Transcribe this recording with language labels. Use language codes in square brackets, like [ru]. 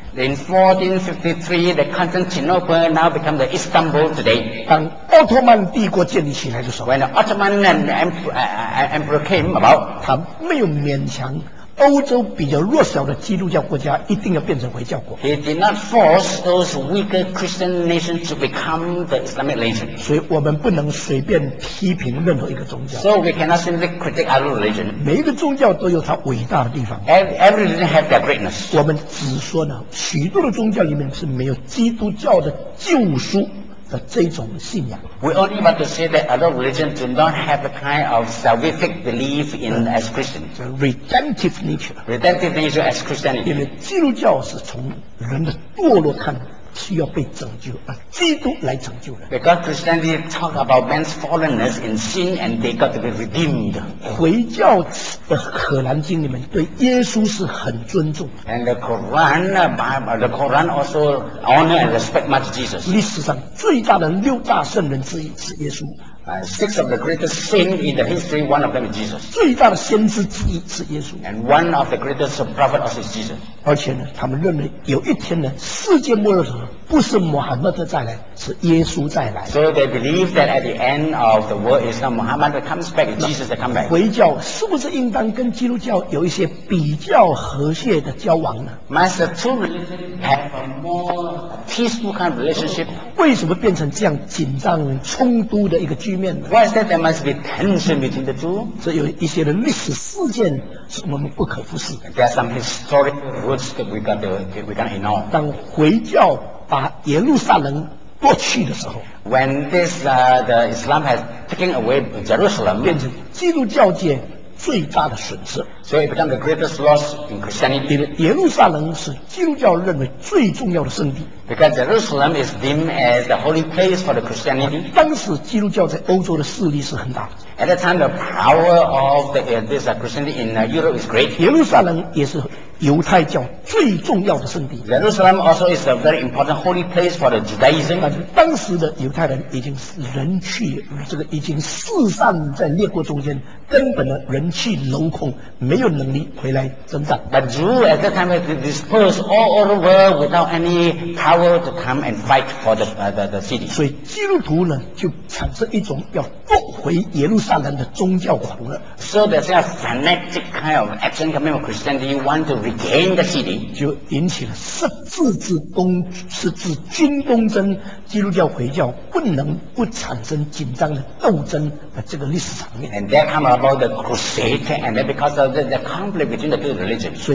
[en] In 1453, the Constantinople now become the Istanbul today. [zh] 当奥斯曼帝国建立起来的时候 [en] ，When the Ottoman Empire came about， [zh] 他没有勉强。欧洲比较弱小的基督教国家一定要变成回教国。 [en] He did not force those weaker Christian nations to become the Islamic nation. [zh] 所以我们不能随便批评任何一个宗教。 [en] So we cannot simply critique other religion. [zh] 每一个宗教都有它伟大的地方。 [en] Every religion has their greatness. [zh] 我们只说呢，许多的宗教里面是没有基督教的救赎的这种信仰。 [en] We only want to say that other religions do not have the kind of salvific belief in as Christians. The redemptive nature. Redemptive nature as Christianity. [zh] 因为基督教是从人的堕落看需要被拯救，而基督来拯救人。 [en] Because Christianity talk about man's fallenness in sin and they got to be redeemed. [zh] 回教的《可兰经》里面对耶稣是很尊重。 [en] And the Quran, Bible, the Quran also honor and respect much Jesus. [zh] 历史上最大的六大圣人之一是耶稣。 [en] Six of the greatest saints in the history, one of them is Jesus. [zh] 最大的先知之一是耶稣。 [en] And one of the greatest prophets is Jesus. [zh] 而且呢，他们认为有一天呢，世界末日的时候不是穆罕默德再来，是耶稣再来。 [en] So they believe that at the end of the world is not Muhammad that comes back, it's Jesus that comes back. [zh] 回教是不是应当跟基督教有一些比较和谐的交往呢？ [en] Must the two religions have a more peaceful kind of relationship? [zh] 为什么变成这样紧张冲突的一个局面呢？ [en] Why is that there must be tension between the two? [zh] 这有一些的历史事件是我们不可忽视的。 [en] There are some historic roots that we got to, we can't ignore. [zh] 当回教把耶路撒冷夺去的时候 [en] ，When this the Islam has taken away Jerusalem， [zh] 变成基督教界最大的损失。 [en] So it becomes the greatest loss in Christianity。 [zh] 因为耶路撒冷是基督教认为最重要的圣地。 [en] Because Jerusalem is deemed as the holy place for the Christianity。 [zh] 当时基督教在欧洲的势力是很大的。 [en] At that time, the power of the this Christianity in Europe is great。 [zh] 耶路撒冷也是犹太教最重要的圣地。 [en] Jerusalem also is a very important holy place for the Judaism。 [zh] 当时的犹太人已经人去，这个已经四散在列国中间，根本的人去楼空，没有能力回来增长。 [en] But Jews at that time had dispersed all over the world without any power to come and fight for the city。 [zh] 所以基督徒呢，就产生一种要夺回耶路撒冷的宗教狂热。 [en] So there's a fanatic kind of action coming from Christianity want to regain the city。 [zh] 就引起了十字之攻，十字军东征，基督教回教不能不产生紧张的斗争的这个历史场面。 [en] And there come about the crusade and then because of the conflict between the two religions。